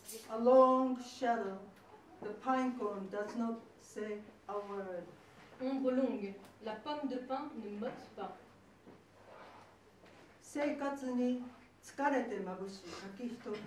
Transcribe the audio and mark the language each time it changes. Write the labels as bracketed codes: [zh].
[en] A long shadow, the pine cone does not say a word. [fr] Ombre longue, la pomme de pin ne motte pas. [ja] 生活に疲れてまぶし柿一つ.